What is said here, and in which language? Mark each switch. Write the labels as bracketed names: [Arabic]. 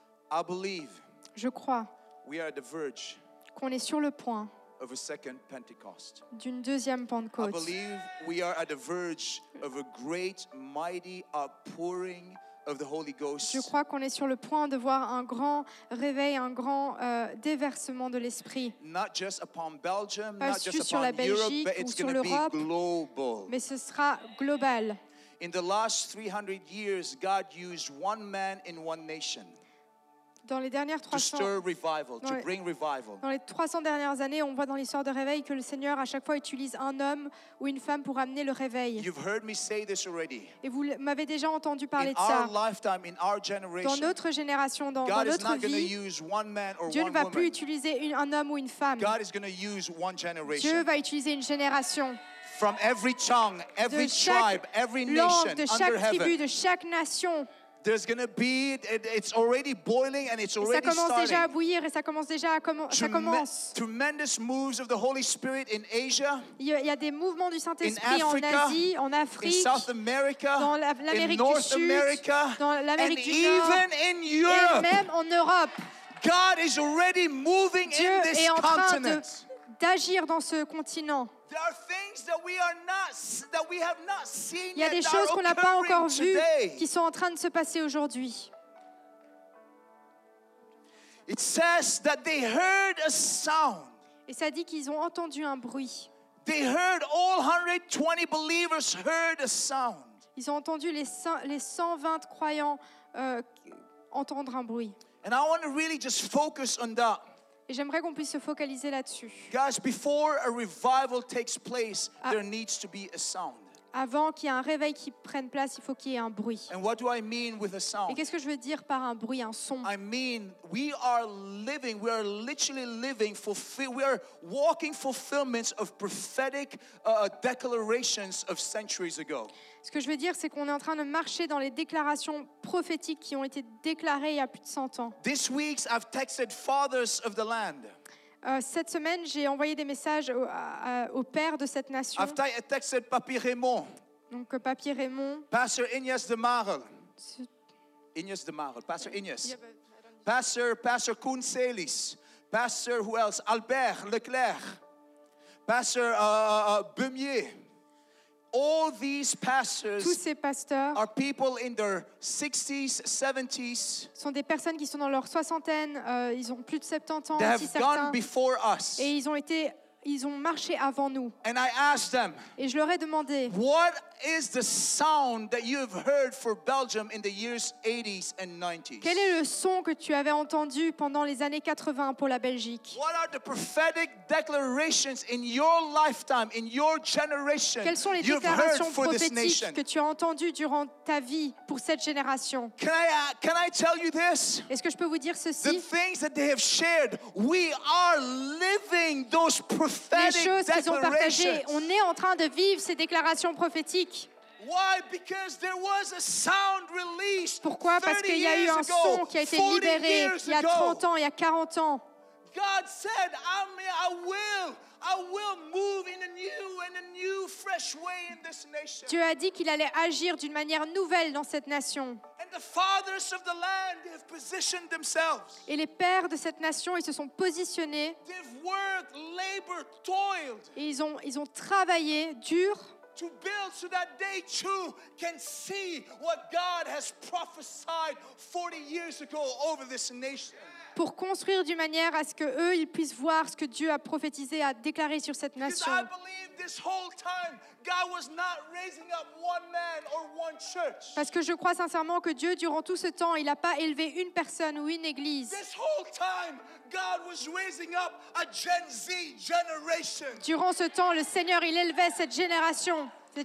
[English] I believe. [French] Je crois. [English] We are at the verge. [French] Qu'on est sur le point. [English] Of a second Pentecost. [French] D'une deuxième Pentecôte. [English] I believe we are at the verge of a great, mighty outpouring of the Holy Ghost. [French] Je crois qu'on est sur le point de voir un grand réveil, un grand déversement de l'esprit. [English] Not just upon Belgium, [French] pas [English] not just upon Europe, but it's going to be global. [French] Mais ce sera global. [English] In the last 300 years, God used one man in one nation. [French] Dans les dernières 300 [English] to stir revival, to bring revival. [French] Dans les 300 dernières années, on voit dans l'histoire de réveil que le Seigneur à chaque fois utilise un homme ou une femme pour amener le réveil. [English] You've heard me say this already. [French] Et vous m'avez déjà entendu parler [English] in [French] de ça. [English] Our lifetime, in our generation, [French] dans notre génération, dans [English] God [French] notre [English] is not [French] vie, [English] gonna use one man or [French] Dieu [English] one [French] ne va [English] woman. [French] Plus utiliser un homme ou une femme. [English] God is gonna use one generation. [French] Dieu va utiliser une génération. [English] From every tongue, every [French] de chaque [English] tribe, every [French] langue, [English] nation, [French] de chaque, [English] under [French] chaque [English] heaven. [French] Tribu, de chaque nation. [English] There's going to be, it's already boiling and it's already starting. [French] Ça commence déjà à bouillir et ça commence déjà à ça commence. [English] Tremendous moves of the Holy Spirit in Asia. [French] Il y a des mouvements du Saint-Esprit en Asie, en Afrique, [English] in South America, [French] dans l'Amérique du Sud, America, dans l'Amérique du Nord, [English] even in Europe. [French] Et même en Europe. [English] God is already moving [French] Dieu [English] in this continent. [French] Dieu est en train d'agir dans ce continent. [English] There are things that we are not, that we have not seen yet. [French] Il y a des choses qu'on n'a pas encore vues qui sont en train de se passer aujourd'hui. [English] It says that they heard a sound. [French] Et ça dit qu'ils ont entendu un bruit. [English] They heard all 120 believers heard a sound. [French] ils ont entendu les 120 croyants entendre un bruit. [English] And I want to really just focus on that. [French] Et j'aimerais qu'on puisse se focaliser là-dessus. [English] Guys, before a revival takes place, there needs to be a sound. [French] Avant qu'il y ait un réveil qui prenne place, il faut qu'il y ait un bruit. [English] And what do I mean with a sound? [French] Et qu'est-ce que je veux dire par un bruit, un son? [English] I mean, we are literally living, we are walking fulfillments of prophetic declarations of centuries ago. [French] Ce que je veux dire, c'est qu'on est en train de marcher dans les déclarations prophétiques qui ont été déclarées il y a plus de 100 ans. [English] This week, I've texted fathers of the land. [French] Cette semaine, j'ai envoyé des messages au père de cette nation. [English] I've texted Papi Raymond. [French] Donc, Papi Raymond. [English] Pastor Ignace de Marle. Ignace de Marle. Pastor Ignace. Yeah, but Pastor Kuhn Salis. Pastor, who else? Albert Leclerc. Pastor Beumier. All these pastors, [French] tous ces pasteurs, [English] are people in their 60s, 70s. [French] Sont des personnes qui sont dans leur soixantaine. Ils ont plus de 70 ans. [English] They have gone before us. [French] Et ils ont marché avant nous. [English] And I asked them. [French] Et je leur ai demandé. [English] What is the sound that you have heard for Belgium in the years 80s and 90s? [French] Quel est le son que tu avais entendu pendant les années 80 pour la Belgique? [English] What are the prophetic declarations in your lifetime, in your generation? [French] Quelles sont les déclarations prophétiques que tu as entendues durant ta vie pour cette génération? [English] Can I tell you this? [French] Est-ce que je peux vous dire ceci? [English] The things that they have shared, we are living those prophetic declarations. [French] Les choses qu'ils ont partagées, on est en train de vivre ces déclarations prophétiques. [English] Why? Because there was a sound released. [French] Pourquoi? Parce qu'il y a eu un [English] ago, [French] son qui a été libéré il y a 30 ans, il y a 40 ans. [English] God said, I will move in a new and a new fresh way in this nation. [French] Dieu a dit qu'il allait agir d'une manière nouvelle dans cette nation. [English] And the fathers of the land have positioned themselves. [French] Et les pères de cette nation, ils se sont positionnés. [English] They've worked, labored, toiled. [French] Et ils ont travaillé dur. [English] To build so that they too can see what God has prophesied 40 years ago over this nation. [French] Pour construire d'une manière à ce que eux ils puissent voir ce que Dieu a prophétisé, a déclaré sur cette nation. [English] Because I believe this whole time God was not raising up one man or one church. [French] Parce que je crois sincèrement que Dieu durant tout ce temps, il a pas élevé une personne ou une église. [English] This whole time God was raising up a Gen Z generation. [French] Durant ce temps, le Seigneur, il élevait cette génération Z.